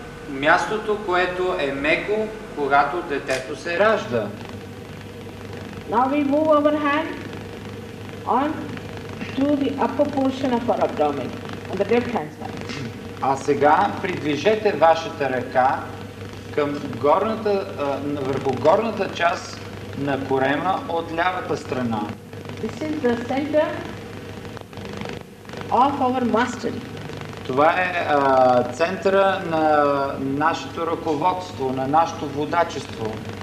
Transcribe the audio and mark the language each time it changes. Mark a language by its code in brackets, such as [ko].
[bg] Мястото, което е меко, когато детето се ражда. [en] Now we move our hand on to the upper portion of our abdomen, on the left hand side. [bg] А сега придвижете вашата ръка към горната, върху горната част на корема от лявата страна. [en] This is the center of our mastery. [bg] Това е центъра на нашето ръководство, на нашето водачество.